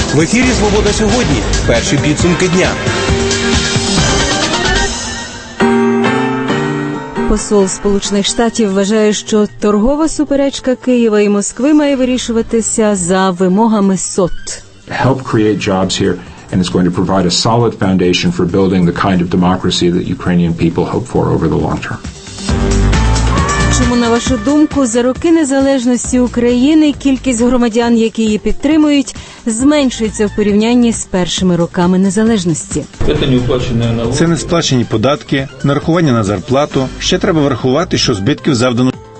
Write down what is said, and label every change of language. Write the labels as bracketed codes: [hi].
[uk] В ефірі «Свобода сьогодні». Перші підсумки дня. Посол Сполучених Штатів вважає, що торгова суперечка Києва і Москви має вирішуватися за вимогами СОТ. [en] Help create jobs here, and it's going to provide a solid foundation for building the kind of democracy that Ukrainian people hope for over the long term. [uk] Чому, на вашу думку, за роки незалежності України кількість громадян, які її підтримують, зменшується в порівнянні з першими роками незалежності? Це не сплачені податки, нарахування на зарплату. Ще треба врахувати, що збитків завдано.